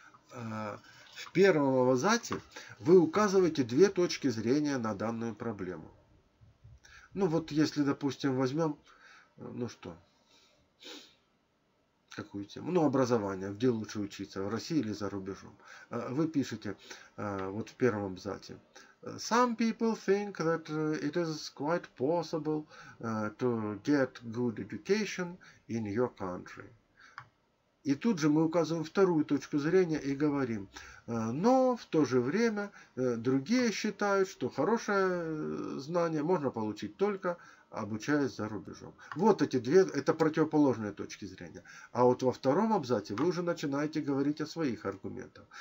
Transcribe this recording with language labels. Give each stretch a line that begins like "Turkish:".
Russian: В 1-м абзаце вы указываете 2 точки зрения на данную проблему. Ну вот если, допустим, возьмем, ну что, какую тему? Ну, образование, где лучше учиться, в России или за рубежом. Вы пишете вот в первом абзаце.
English: Some people think that it is quite possible to get good education in your country.
Russian: И тут же мы указываем вторую точку зрения и говорим, но в то же время другие считают, что хорошее знание можно получить только обучаясь за рубежом. Вот эти две, это противоположные точки зрения. А вот во втором абзаце вы уже начинаете говорить о своих аргументах.